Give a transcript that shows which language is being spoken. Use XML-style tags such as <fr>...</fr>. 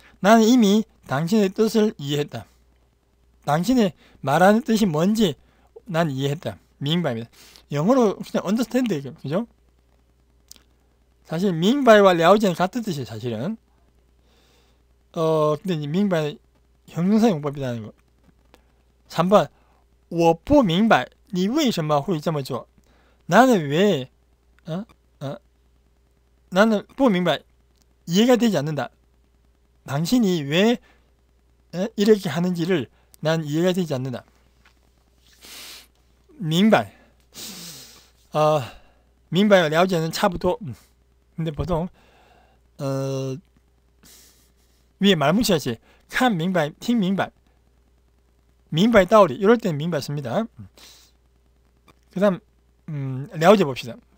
<ko>나는 이미 당신의 뜻을 이해했다. 당신의 말하는 뜻이 뭔지 난 이해했다.</ko> <zh>明白입니다.</zh> <ko>영어로 그냥 understand, 그죠? 사실 明白와 了解는 같은 뜻이에요. 사실은 근데 明白 형용사 용법이라는 거.</ko> <zh>3번, 我不明白你为什么会这么做.</zh> <ko>나는 왜, 나는 不明白, 이해가 되지 않는다. 당신이 왜 이렇게 하는지를 난 이해가 되지 않는다. 明白, 明白와 了解는</ko> <zh>差不多.</zh> <ko>근데 보통 위에 말뭉치듯이</ko> <zh>看明白听明白明白道理</zh> <ko>이럴때는明白씁니다그다음了解봅시다</ko>